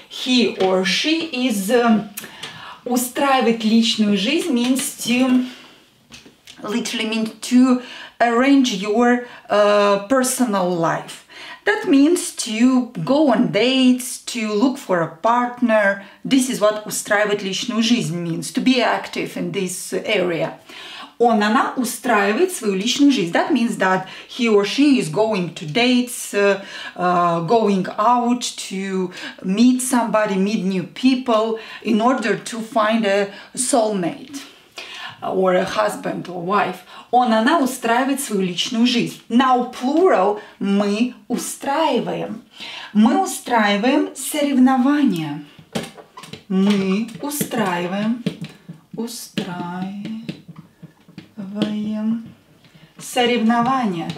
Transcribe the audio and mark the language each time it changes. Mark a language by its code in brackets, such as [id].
[en] He or she is [ru] устраивать личную жизнь [en] means to literally means to arrange your personal life. That means to go on dates, to look for a partner. This is what [ru] устраивать личную жизнь [en] means, to be active in this area. [ru] Он, она устраивает свою личную жизнь. [en] That means that he or she is going to dates, going out to meet somebody, meet new people in order to find a soulmate or a husband or wife. [ru] Он, она устраивает свою личную жизнь. [en] Now plural [ru] мы устраиваем. Мы устраиваем соревнования. Мы устраиваем, устраиваем соревнования.